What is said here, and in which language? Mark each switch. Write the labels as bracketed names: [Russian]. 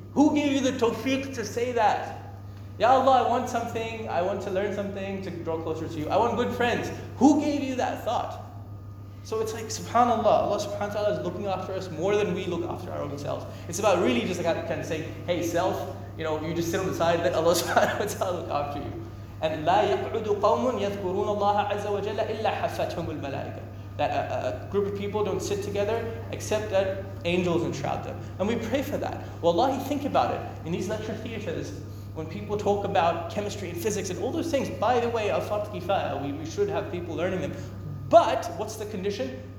[English] Who gave you the tawfiq to say that? Ya Allah, I want something, I want to learn something to draw closer to you. I want good friends. Who gave you that thought? So it's like, subhanAllah, Allah subhanahu wa ta'ala is looking after us more than we look after our own selves. It's about really just like kind of saying, hey self, you just sit on the side, let Allah subhanahu wa ta'ala look after you. [Arabic] And لا يقعد قوم يذكرون الله عز وجل إلا حفتهم الملائكة. [English] That a group of people don't sit together except that angels enshroud them. And we pray for that. Wallahi, think about it. In these lecture theaters, when people talk about chemistry and physics and all those things, by the way, afard kifaya, we should have people learning them. But what's the condition?